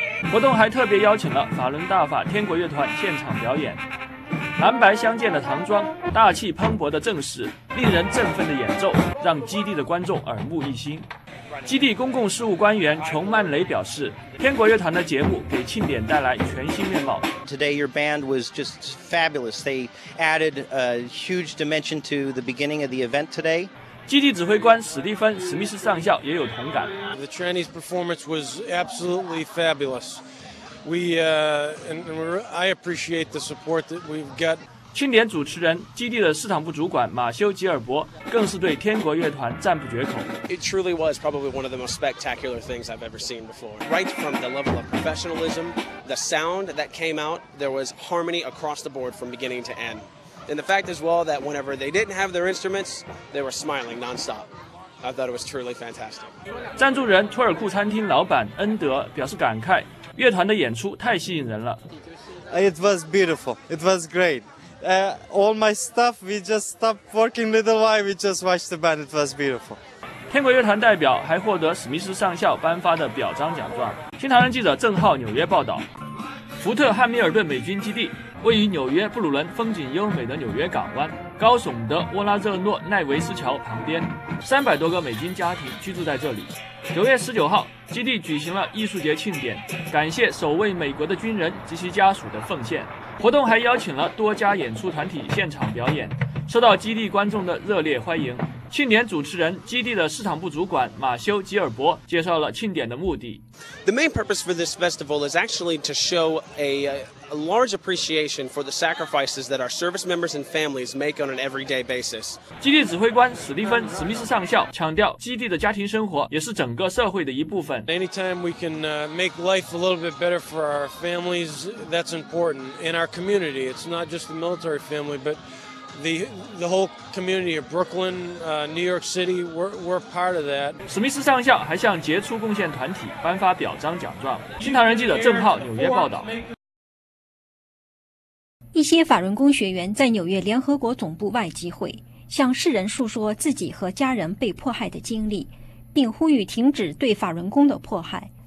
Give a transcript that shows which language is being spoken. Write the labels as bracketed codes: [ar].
[zh] 活动还特别邀请了法轮大法天国乐团现场表演。蓝白相间的唐装，大气磅礴的正式，令人振奋的演奏，让基地的观众耳目一新。基地公共事务官员琼曼雷表示，天国乐团的节目给庆典带来全新面貌。 [en] Today your band was just fabulous. They added a huge dimension to the beginning of the event today. [zh] 基地指挥官史蒂芬·史密斯上校也有同感。 [en] The Chinese performance was absolutely fabulous. I appreciate the support that we've got. [zh] 庆典主持人、基地的市场部主管马修·吉尔伯更是对天国乐团赞不绝口。 [en] It truly was probably one of the most spectacular things I've ever seen before. Right from the level of professionalism, the sound that came out, there was harmony across the board from beginning to end. And the fact as well that whenever they didn't have their instruments, they were smiling nonstop. I thought it was truly fantastic. [zh] 赞助人托尔库餐厅老板恩德表示感慨，乐团的演出太吸引人了。 [en] It was beautiful. It was great. All my stuff, we just stopped working little while. We just watched the band. It was beautiful. [zh] 天国乐团代表还获得史密斯上校颁发的表彰奖状。新唐人记者郑浩，纽约报道。福特汉密尔顿美军基地位于纽约布鲁伦风景优美的纽约港湾高耸的沃拉热诺奈维斯桥旁边，300多个美军家庭居住在这里。 9月19号，基地举行了艺术节庆典，感谢守卫美国的军人及其家属的奉献。活动还邀请了多家演出团体现场表演，受到基地观众的热烈欢迎。庆典主持人、基地的市场部主管马修·吉尔伯介绍了庆典的目的。 [en] The main purpose for this festival is actually to show a large appreciation for the sacrifices that our service members and families make on an everyday basis. [zh] 基地指挥官史蒂芬·史密斯上校强调，基地的家庭生活也是整个社会的一部分。 [en] Anytime we can make life a little bit better for our families, that's important. In our community, it's not just the military family, but the whole community of Brooklyn, New York City, we're part of that. [zh] 史密斯上校还向杰出贡献团体颁发表彰奖状。新唐人记者郑浩，纽约报道。一些法轮功学员在纽约联合国总部外集会，向世人述说自己和家人被迫害的经历，并呼吁停止对法轮功的迫害。